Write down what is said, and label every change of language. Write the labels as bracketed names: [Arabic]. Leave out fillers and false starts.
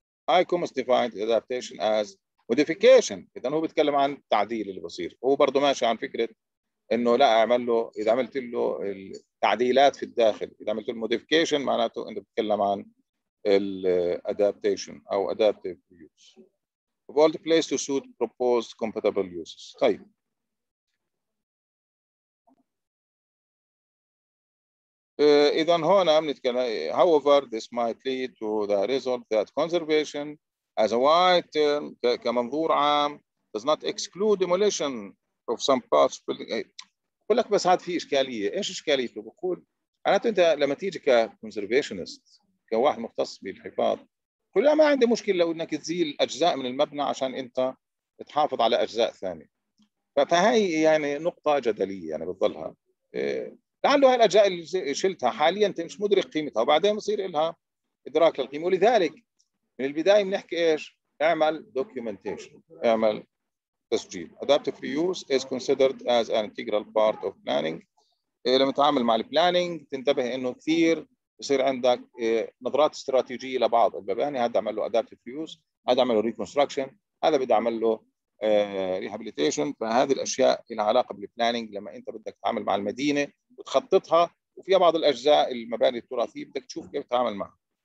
[English] ايكوم is defined adaptation as modification. [Arabic] إذا هو بيتكلم عن تعديل اللي بصير هو برضو ماشي عن فكرة إنه لا أعمل له إذا عملت له التعديلات في الداخل إذا عملت له modification معناته أنت بتكلم عن ال adaptation أو adaptive use. [English] Old place to suit proposed compatible uses. [Arabic] طيب إذا هنا بنتكلم [English] however this might lead to the result that conservation as a wide term, [Arabic] كمنظور عام [English] does not exclude demolition of some parts of building. [Arabic] بقول لك بس هذا في اشكاليه، ايش اشكاليته؟ بقول معناته انت لما تيجي كconservationist كواحد مختص بالحفاظ بقول لا ما عندي مشكله لو انك تزيل اجزاء من المبنى عشان انت تحافظ على اجزاء ثانيه. فهي يعني نقطه جدليه يعني بتضلها لعله هاي الاجزاء اللي شلتها حاليا انت مش مدرك قيمتها وبعدين بصير لها ادراك للقيمه ولذلك من البداية بنحكي إيش؟ اعمل documentation، اعمل تسجيل. [English] Adaptive reuse is considered as an integral part of planning. [Arabic] لما تتعامل مع planning تنتبه إنه كثير يصير عندك نظرات استراتيجية لبعض المباني. هذا أعمل له Adaptive reuse، هذا أعمل له reconstruction، هذا بدي أعمل له rehabilitation. فهذه الأشياء لها علاقة بالplanning لما أنت بدك تتعامل مع المدينة وتخططها وفيها بعض الأجزاء المباني التراثية بدك تشوف كيف تتعامل معها.